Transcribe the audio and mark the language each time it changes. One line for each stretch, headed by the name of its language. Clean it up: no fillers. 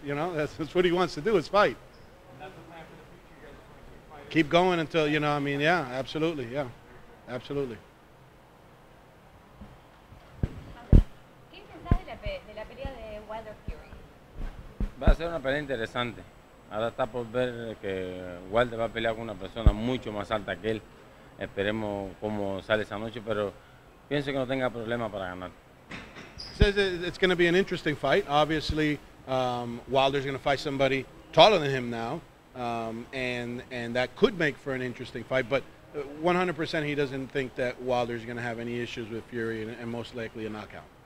English: You know, that's what he wants to do. Is fight. Keep going until, you know, I mean, yeah, absolutely, yeah, absolutely.
Spanish: ¿Qué pensás de la pelea de Wilder Fury? Va a ser una pelea interesante. Ahora está por ver que Wilder va a pelear con una persona mucho más alta que él. Esperemos cómo sale esa noche, pero pienso que no tenga problema para ganar.
English: Says it's going to be an interesting fight. Obviously, Wilder's going to fight somebody taller than him now. And that could make for an interesting fight, but 100% he doesn't think that Wilder's going to have any issues with Fury and most likely a knockout.